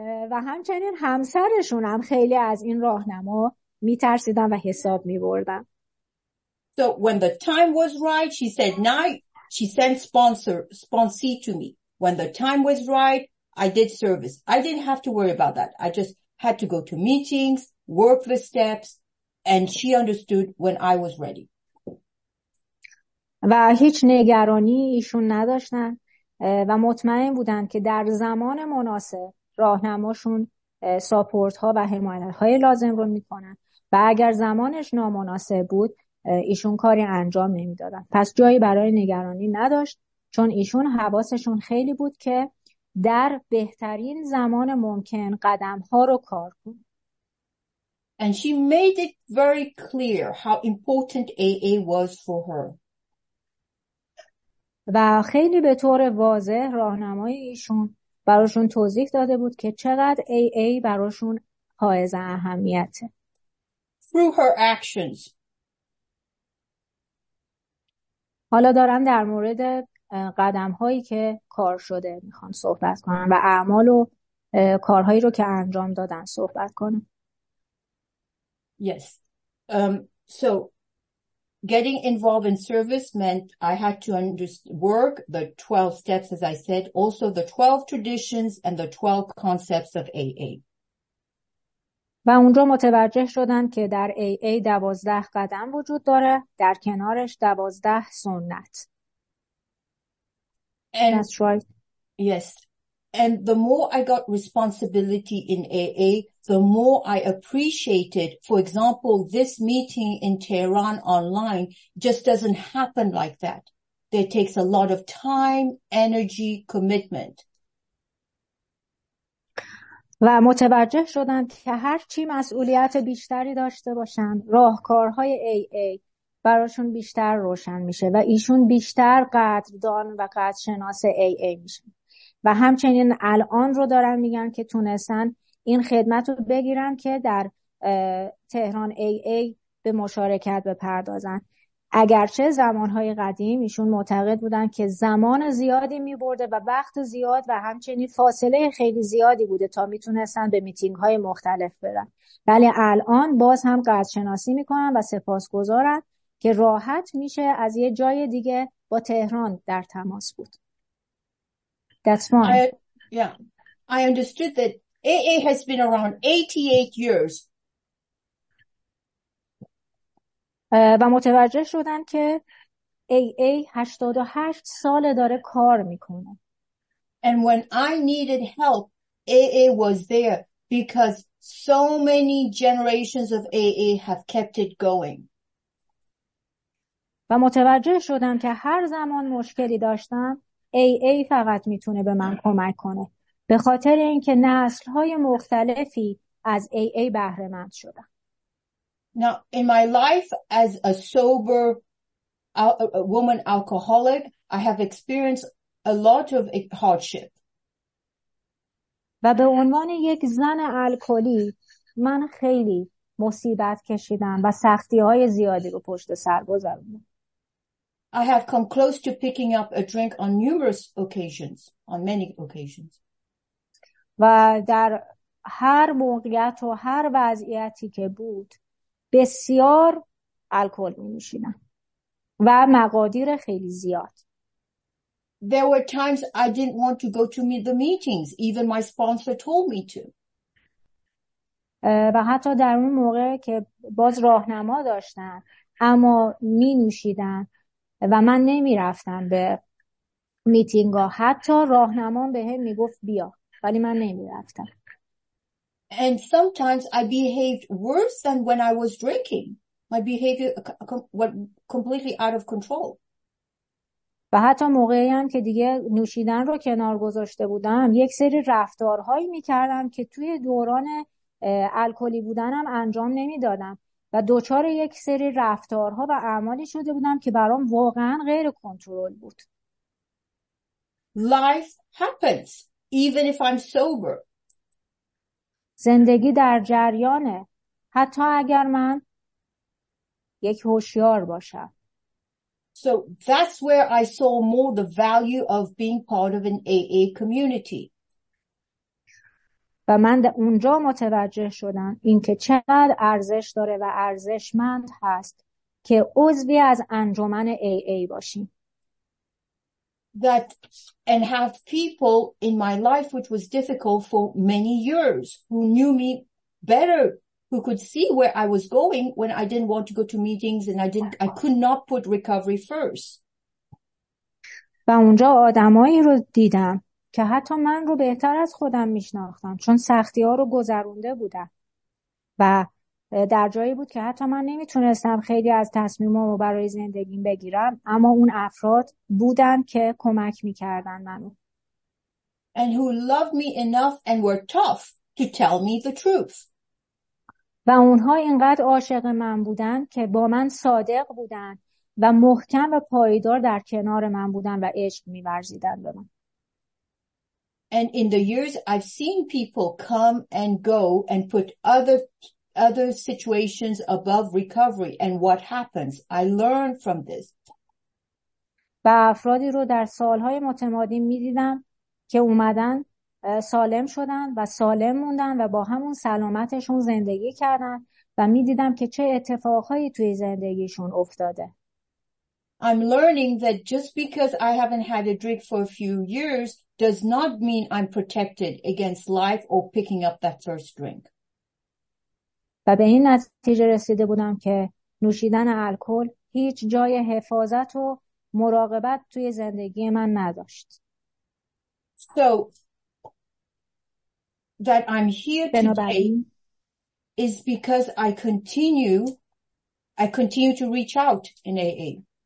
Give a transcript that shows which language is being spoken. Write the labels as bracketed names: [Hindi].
[Persian] و همچنین همسرشون هم خیلی از این راهنما میترسیدن و حساب میبردن. [English] So when the time was right, she said, "Now she sent sponsee to me. When the time was right, I did service. I didn't have to worry about that. I just had to go to meetings, work the steps, and she understood when I was ready." [Persian] و هیچ نگرانی ایشون نداشتن و مطمئن بودن که در زمان مناسب راهنماشون ساپورت ها و حمایت های لازم رو میکنن و اگر زمانش نامناسب بود ایشون کاری انجام نمیدادن. پس جایی برای نگرانی نداشت چون ایشون حواسشون خیلی بود که در بهترین زمان ممکن قدم ها رو کار کن. [English] And she made it very clear how important AA was for her. [Persian] و خیلی به طور واضح راهنمای ایشون براشون توضیح داده بود که چقدر AA براشون حائز اهمیته. [English] Through her actions. [Persian] حالا دارم در مورد قدم هایی که کار شده میخوام صحبت کنم و اعمال و کارهایی رو که انجام دادن صحبت کنم. [English] Yes. So getting involved in service meant I had to work the 12 steps, as I said, also the 12 traditions and the 12 concepts of AA. [Persian] و اونجا متوجه شدن که در AA 12 قدم وجود داره، در کنارش 12 سنت. [English] And, That's right. Yes. And the more I got responsibility in AA, the more I appreciated, for example, this meeting in Tehran online just doesn't happen like that. It takes a lot of time, energy, commitment. [Persian] و متوجه شدم که هر چی مسئولیت بیشتری داشته باشن، راهکارهای AA براشون بیشتر روشن میشه و ایشون بیشتر قدردان و قدرشناس AA میشن. و همچنین الان رو دارن میگن که تونستن این خدمت رو بگیرن که در تهران AA به مشارکت بپردازن. اگرچه زمانهای قدیم ایشون معتقد بودن که زمان زیادی می برده و وقت زیاد و همچنین فاصله خیلی زیادی بوده تا می تونستن به میتینگ های مختلف برن، ولی الان باز هم قدرشناسی می کنن و سپاسگزارن که راحت میشه از یه جای دیگه با تهران در تماس بود. [English] That's fine. I understood that AA has been around 88 years. [Persian] و متوجه شدن که AA 88 ساله داره کار میکنه. [English] And when I needed help, AA was there because so many generations of AA have kept it going. [Persian] و متوجه شدم که هر زمان مشکلی داشتم AA فقط میتونه به من کمک کنه، به خاطر اینکه نسل‌های مختلفی از AA بهره مند شدن. [English] Now, in my life as a sober woman alcoholic, I have experienced a lot of hardship. [Persian] و به عنوان یک زن الکلی من خیلی مصیبت کشیدم و سختی‌های زیادی رو پشت سر گذروندم. [English] I have come close to picking up a drink on numerous occasions, on many occasions. [Persian] و در هر موقعیت و هر وضعیتی که بود بسیار الکل می‌نوشیدم و مقادیر خیلی زیاد. [English] There were times I didn't want to go to meet the meetings. Even my sponsor told me to. [Persian] و حتی در اون موقع که باز راهنما داشتن اما می نوشیدن و من نمی رفتم به میتینگا، حتی راهنمان به هم می گفت بیا ولی من نمی رفتم. [English] And sometimes I behaved worse than when I was drinking. My behavior was completely out of control. [Persian] و حتی موقعی هم که دیگه نوشیدن رو کنار گذاشته بودم یک سری رفتارهایی میکردم که توی دوران الکلی بودنم انجام نمیدادم و دچار یک سری رفتارها و اعمالی شده بودم که برام واقعا غیر کنترل بود. [English] Life happens even if I'm sober. [Persian] زندگی در جریانه حتی اگر من یک هوشیار باشم. [English] So that's where I saw more the value of being part of an AA community. [Persian] و من اونجا متوجه شدم اینکه چقدر ارزش داره و ارزشمند هست که عضوی از انجمن AA باشیم. [English] That and have people in my life which was difficult for many years who knew me better, who could see where I was going when I didn't want to go to meetings and I could not put recovery first. [Persian] و اونجا آدمایی رو دیدم که حتی من رو بهتر از خودم میشناختن چون سختی‌ها رو گذرونده بودم و در جایی بود که حتی من نمیتونستم خیلی از تصمیمام رو برای زندگیم بگیرم، اما اون افراد بودن که کمک میکردن منو. [English] and who loved me enough and were tough to tell me the truth. [Persian] و اونها اینقدر عاشق من بودن که با من صادق بودن و محکم و پایدار در کنار من بودن و عشق می‌ورزیدن به من. [English] And in the years I've seen people come and go and put other situations above recovery and what happens. I learned from this. [Persian] و افرادی رو در سالهای متمادی می‌دیدم که اومدن سالم شدن و سالم موندن و با همون سلامتشون زندگی کردن و می‌دیدم که چه اتفاقهایی توی زندگیشون افتاده. [English] I'm learning that just because I haven't had a drink for a few years does not mean I'm protected against life or picking up that first drink. [Persian] و به این نتیجه رسیده بودم که نوشیدن الکل هیچ جای حفاظت و مراقبت توی زندگی من نداشت. [English] So that I'm here today is because I continue to reach out in AA.